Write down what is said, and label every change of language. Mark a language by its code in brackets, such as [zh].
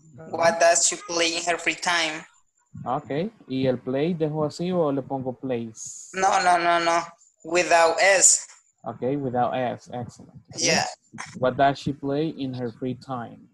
[en] What does she play in her free time? [es] Okay, ¿y el play dejo así o le pongo plays? [en] No. Without S. Okay, without S, excellent. Okay. Yeah. What does she play in her free time?